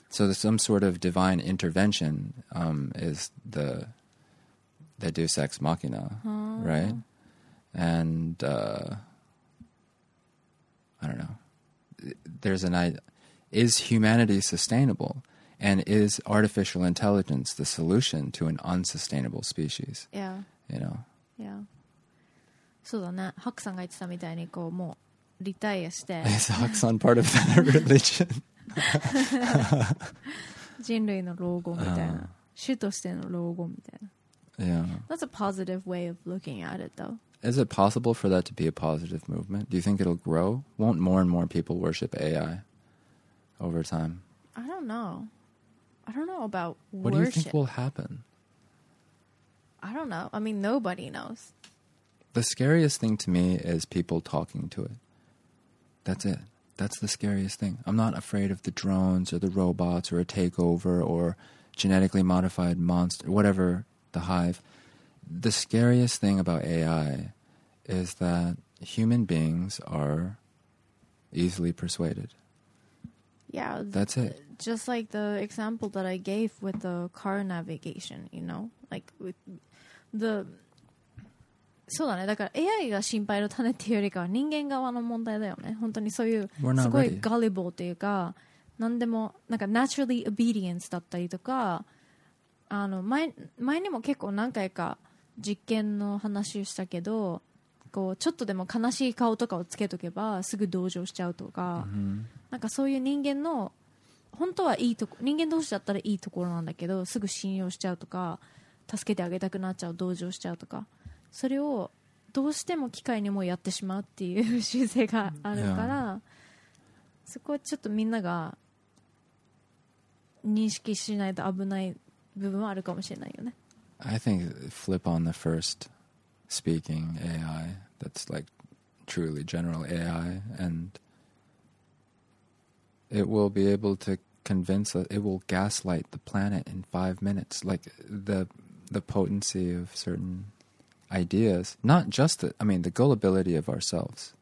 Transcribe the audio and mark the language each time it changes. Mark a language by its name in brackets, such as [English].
[English] So there's some sort of divine intervention, is the deus ex machina. Oh. Right. And, I don't know. There's an idea. Is humanity sustainable? And is artificial intelligence the solution to an unsustainable species? Yeah. You know? [Japanese] Yeah. そうだね。ハクさんが言ってたみたいにこうもうリタイアして。 [English] Is Hak san part of that religion? [Japanese] 人類の老後みたいな。種としての老後みたいな。 [English] Yeah. That's a positive way of looking at it though. Is it possible for that to be a positive movement? Do you think it'll grow? Won't more and more people worship AI over time? I don't know. I don't know about worship. What do you think will happen? I don't know. I mean, nobody knows. The scariest thing to me is people talking to it. That's it. That's the scariest thing. I'm not afraid of the drones or the robots or a takeover or genetically modified monster, whatever, the hive. The scariest thing about AI is that human beings are easily persuaded. Yeah. That's it. Just like the example that I gave with the car navigation, you know? Like, with the... [Japanese] そうだね。だから AI が心配の種っていうよりかは人間側の問題だよね。本当にそういうすごいガリボーっていうか、なんでも、なんか [English] naturally obedience [Japanese] だったりとか、あの、前にも結構何回か、実験の話をしたけど、こうちょっとでも悲しい顔とかをつけとけばすぐ同情しちゃうとか、 mm-hmm. なんかそういう人間の本当はいいとこ、人間同士だったらいいところなんだけど、すぐ信用しちゃうとか、助けてあげたくなっちゃう、同情しちゃうとか、それをどうしても機械にもやってしまうっていう習性があるから、yeah. そこはちょっとみんなが認識しないと危ない部分はあるかもしれないよね。 [English] I think flip on the first speaking AI that's like truly general AI and it will be able to convince, it will gaslight the planet in 5 minutes. Like the potency of certain ideas, not just the gullibility of ourselves,